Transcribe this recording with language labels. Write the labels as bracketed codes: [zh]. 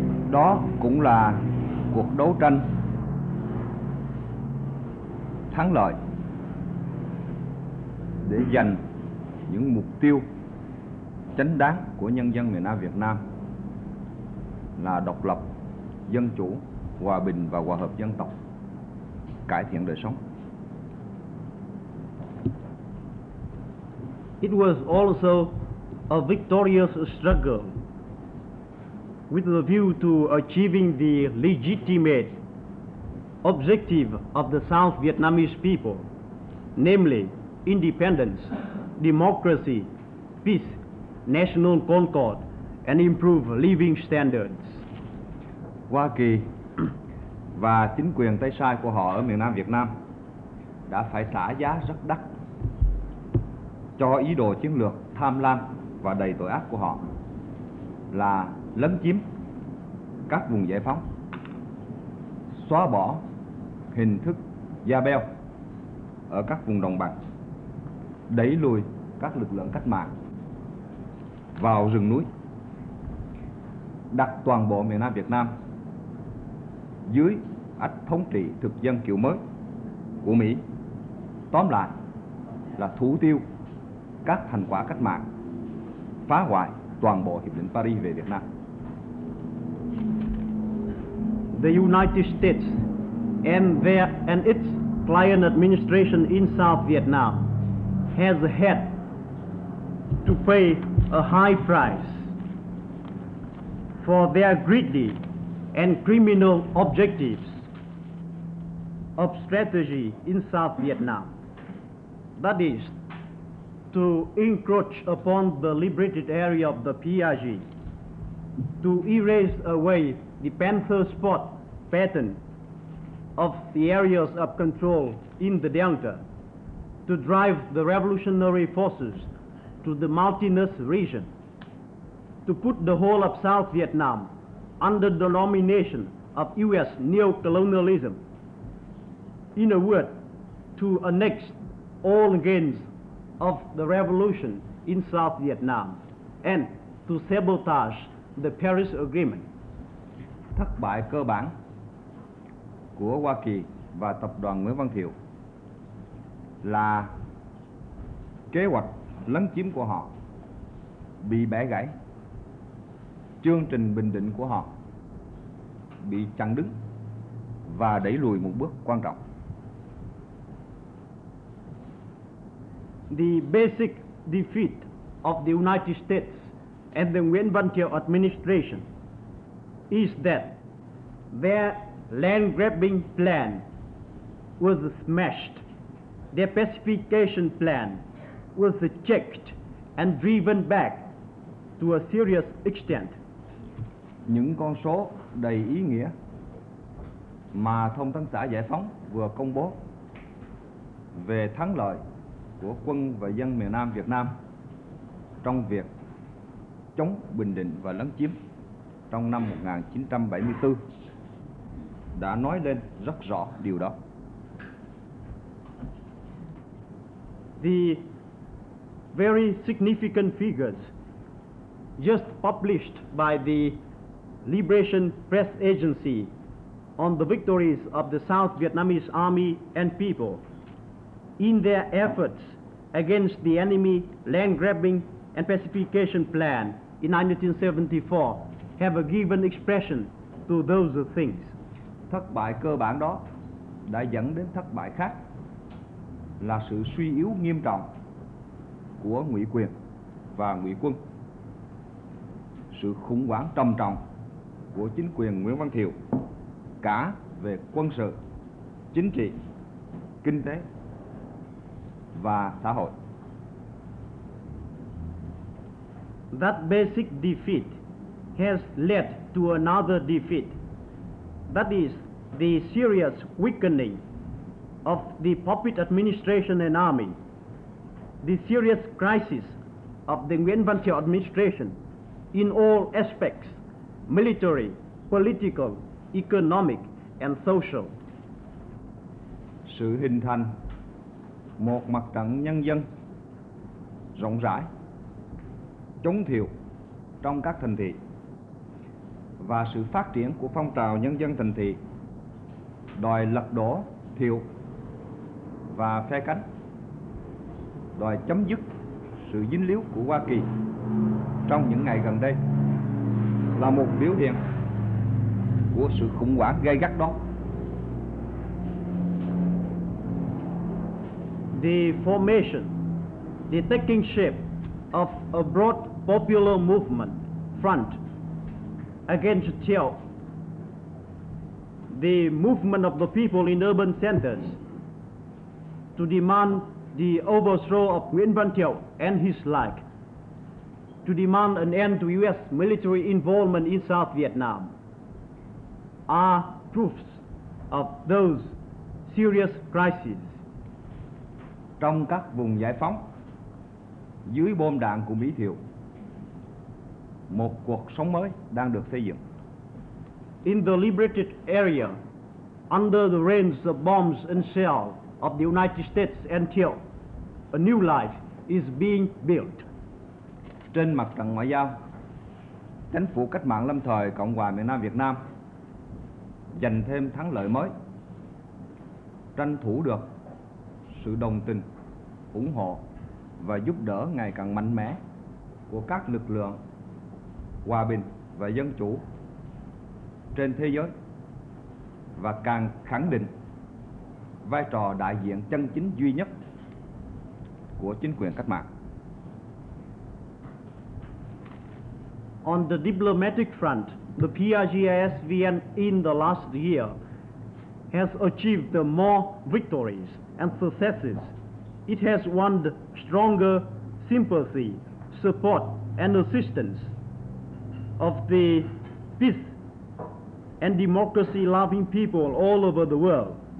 [vi] Đó cũng là cuộc đấu tranh thắng lợi để giành những mục tiêu chính đáng của nhân dân miền Nam Việt Nam là độc lập, dân chủ, hòa bình và hòa hợp dân tộc, cải thiện đời sống. [en] It was also a victorious struggle with the view to achieving the legitimate objective of the South Vietnamese people, namely independence, democracy, peace, national concord, and improved living standards. [vi] Hoa Kỳ và chính quyền tay sai của họ ở miền Nam Việt Nam đã phải trả giá rất đắt cho ý đồ chiến lược tham lam và đầy tội ác của họ là lấn chiếm các vùng giải phóng, xóa bỏ hình thức gia bèo ở các vùng đồng bằng, đẩy lùi các lực lượng cách mạng vào rừng núi, đặt toàn bộ miền Nam Việt Nam dưới ách thống trị thực dân kiểu mới của Mỹ, tóm lại là thủ tiêu các thành quả cách mạng, phá hoại toàn bộ Hiệp định Paris về Việt Nam. [en] The United States and its client administration in South Vietnam has had to pay a high price for their greedy and criminal objectives of strategy in South Vietnam, that is, to encroach upon the liberated area of the PRG, to erase away the panther spot pattern of the areas of control in the Delta, to drive the revolutionary forces to the mountainous region, to put the whole of South Vietnam under the domination of U.S. neocolonialism, in a word, to annex all gains of the revolution in South Vietnam, and to sabotage the Paris Agreement. [vi] Thất bại cơ bản của Hoa Kỳ và tập đoàn Nguyễn Văn Thiệu là kế hoạch lấn chiếm của họ bị bẻ gãy, chương trình bình định của họ bị chặn đứng và đẩy lùi một bước quan trọng. [en] The basic defeat of the United States and the Nguyễn Văn Thiệu administration is that their land grabbing plan was smashed, their pacification plan was checked and driven back to a serious extent. [vi] Những con số đầy ý nghĩa mà Thông tấn xã Giải phóng vừa công bố về thắng lợi của quân và dân miền Nam Việt Nam trong việc chống bình định và lấn chiếm trong năm 1974 đã nói lên rất rõ điều đó. [en] The very significant figures just published by the Liberation Press Agency on the victories of the South Vietnamese Army and people in their efforts against the enemy land grabbing and pacification plan in 1974 have a given expression to those things. [vi] Thất bại cơ bản đó đã dẫn đến thất bại khác là sự suy yếu nghiêm trọng của ngụy quyền và ngụy quân, sự khủng hoảng trầm trọng của chính quyền Nguyễn Văn Thiệu cả về quân sự, chính trị, kinh tế và xã hội. [en] That basic defeat has led to another defeat. That is the serious weakening of the puppet administration and army. The serious crisis of the Nguyễn Văn Thiệu administration in all aspects, military, political, economic and social. [vi] Sự hình thành một mặt trận nhân dân rộng rãi chống Thiệu trong các thành thị và sự phát triển của phong trào nhân dân thành thị đòi lật đổ Thiệu và phe cánh, đòi chấm dứt sự dính líu của Hoa Kỳ trong những ngày gần đây là một biểu hiện của sự khủng hoảng gay gắt đó. [en] The formation, the taking shape of a broad popular movement front against Thiệu, the movement of the people in urban centers to demand the overthrow of Nguyễn Văn Thiệu and his like, to demand an end to U.S. military involvement in South Vietnam, are proofs of those serious crises. [vi] Trong các vùng giải phóng, dưới bom đạn của Mỹ Thiệu, một cuộc sống mới đang được xây dựng. [en] In the liberated area, under the rains of bombs and shell of the United States and Thiệu, a new life is being built. [vi] Trên mặt trận ngoại giao, chính phủ cách mạng lâm thời Cộng hòa miền Nam Việt Nam giành thêm thắng lợi mới, tranh thủ được sự đồng tình, ủng hộ và giúp đỡ ngày càng mạnh mẽ của các lực lượng hòa bình và dân chủ trên thế giới và càng khẳng định vai trò đại diện chân chính duy nhất của chính quyền cách mạng. [en] On the diplomatic front, the PRGISVN in the last year has achieved more victories and successes. It has won stronger sympathy, support and assistance of the peace and democracy loving people all over the world.